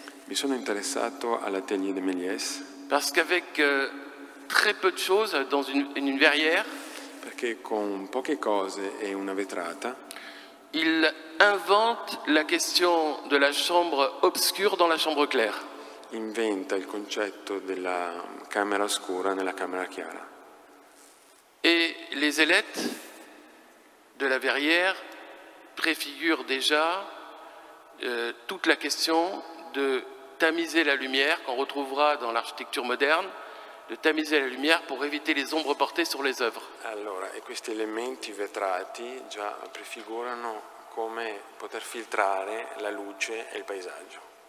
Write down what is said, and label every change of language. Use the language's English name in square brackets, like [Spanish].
[Italian] Mi sono interessato all'atelier de Méliès. [French] Parce qu'avec très peu de choses dans une verrière. [Italian] Perché con poche cose e una vetrata. [French] Il invente la question de la chambre obscure dans la chambre claire. [Italian] Inventa il concetto della camera oscura nella camera chiara. [French] Et les ailettes de la verrière préfigurent déjà toute la question de tamiser la lumière qu'on retrouvera dans l'architecture moderne. De tamiser la lumière pour éviter les ombres portées sur les œuvres. [Italian] Allora, e questi elementi vetrati già prefigurano come poter filtrare la luce e il paesaggio.